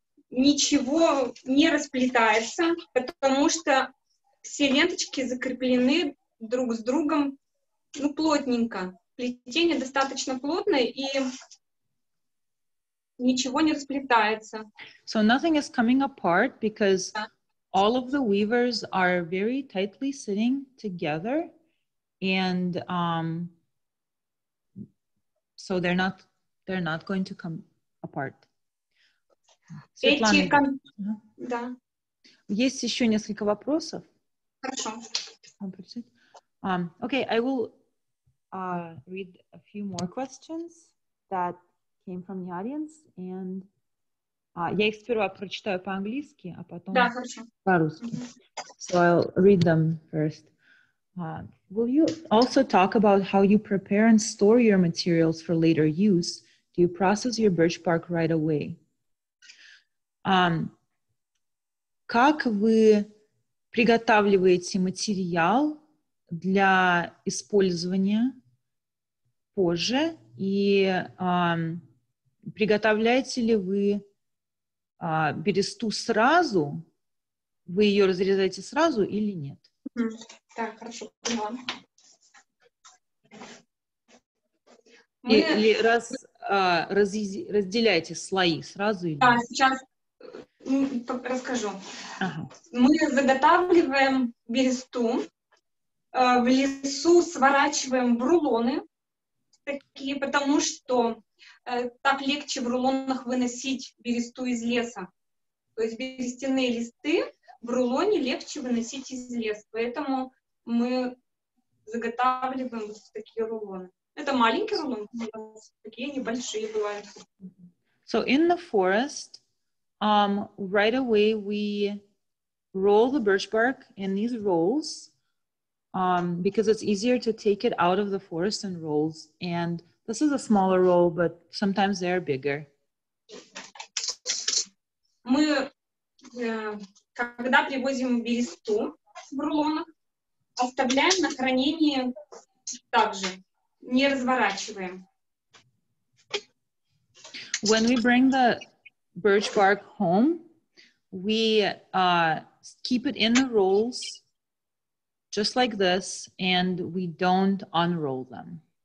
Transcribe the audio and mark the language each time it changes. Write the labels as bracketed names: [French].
[Russian] Ничего не расплетается, потому что все ленточки закреплены друг с другом, ну, плотненько. Плетение достаточно плотное, и ничего не расплетается. [English] So nothing is coming apart, because all of the weavers are very tightly sitting together, and so they're not going to come apart. [Russian] Светлана, есть еще несколько вопросов? Хорошо. [English] Okay, I will read a few more questions that came from the audience, and [Russian] А, я их сперва прочитаю по-английски, а потом да, хорошо. По-русски. [English] Mm-hmm. So I'll read them first. Will you also talk about how you prepare and store your materials for later use? Do you process your birch bark right away? [Russian] Как вы приготавливаете материал для использования позже? И приготовляете ли вы бересту сразу? Вы ее разрезаете сразу или нет? Так, хорошо, поняла. Или разделяете слои сразу? Да, сейчас расскажу. Ага. Мы заготавливаем бересту, в лесу сворачиваем в рулоны, такие, потому что так легче в рулонах выносить бересту из леса. То есть берестяные листы в рулоне легче выносить из леса, поэтому мы заготавливаем вот такие рулоны. Это маленькие рулоны, такие небольшие бывают. [English] So in the forest, right away we roll the birch bark in these rolls, because it's easier to take it out of the forest in rolls. And this is a smaller roll, but sometimes they're bigger. [Russian] Мы когда привозим бересту в рулонах, оставляем на хранение также, не разворачиваем. [English] When we bring the birch bark home, we keep it in the rolls just like this, and we don't unroll them.